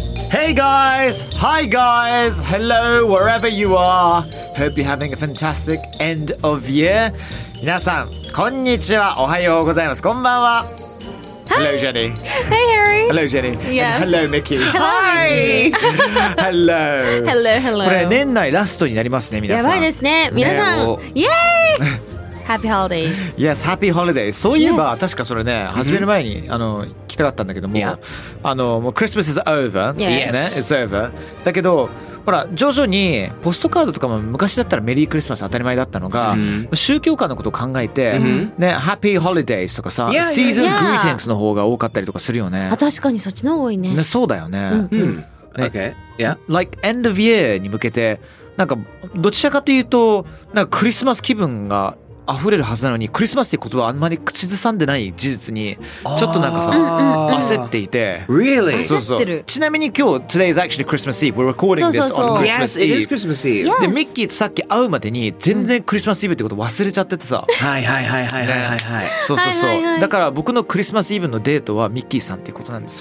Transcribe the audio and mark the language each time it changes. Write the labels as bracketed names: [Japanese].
[English] Hey guys! Hi guys! Hello, wherever you are! Hope you're having a fantastic end of year! [Japanese] 皆さん、こんにちは。おはようございます。こんばんは。 [English] Hello, Jenny. Hey, Harry. Hello, Jenny. Yes. And hello, Mickey. Hello, Hi. Hello. Hello, hello. [Japanese] これ年内ラストになりますね、皆さん。やばいですね。皆さん、イエーイ！ [English] Happy holidays. Yes, happy holidays. [Japanese] そういえば、 [English] yes. [Japanese] 確かそれね、始める前に、mm-hmm. 来たかったんだけども、 [English] yeah. もう Christmas is over. Yes.、ね、it's over. [Japanese] だけど、ほら、徐々にポストカードとかも昔だったらメリークリスマス当たり前だったのが、mm-hmm. 宗教家のことを考えて、mm-hmm. ね、 [English] Happy holidays [Japanese] とかさ、 [English] yeah, Seasons yeah, yeah. [Japanese] greetings の方が多かったりとかするよね。あ、確かにそっちの方が多いね。そうだよね。 [English] Mm-hmm. ね、okay. Yeah. [Japanese] Like end of year に向けて、なんかどちらかというと、なんかクリスマス気分が溢れるはずなのに、クリスマスって言葉あんまり口ずさんでない事実にちょっとなんかさ、焦っていて、 [English] really? [Japanese] 焦ってる。そうそう。ちなみに今日 [English] Today is actually Christmas Eve. We're recording this on Christmas Eve. Yes, it is Christmas Eve. [Japanese] でミッキーとさっき会うまでに全然クリスマスイブってこと忘れちゃっててさ、はいはいはいはいはいはい、そうそうそう。だから僕のクリスマスイブのデートはミッキーさんっていうことなんです。